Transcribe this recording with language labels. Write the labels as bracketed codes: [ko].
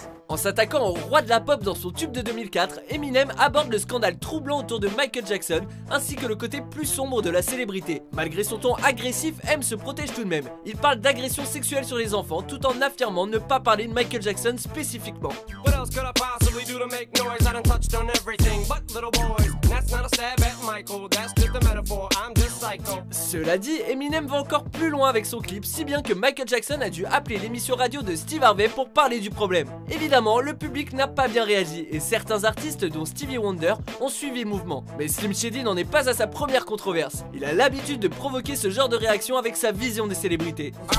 [fr] En s'attaquant au roi de la pop dans son tube de 2004, Eminem aborde le scandale troublant autour de Michael Jackson, ainsi que le côté plus sombre de la célébrité. Malgré son ton agressif, M se protège tout de même. Il parle d'agression sexuelle sur les enfants, tout en affirmant ne pas parler de Michael Jackson spécifiquement. [en] What else could I possibly do to make noise? I done touched on everything but little boys. That's not a stab at Michael, that's just a metaphor, I'm just psycho. [fr] Cela dit, Eminem va encore plus loin avec son clip, si bien que Michael Jackson a dû appeler l'émission radio de Steve Harvey pour parler du problème. Évidemment, le public n'a pas bien réagi et certains artistes, dont Stevie Wonder, ont suivi le mouvement. Mais Slim Shady n'en est pas à sa première controverse. Il a l'habitude de provoquer ce genre de réaction avec sa vision des célébrités.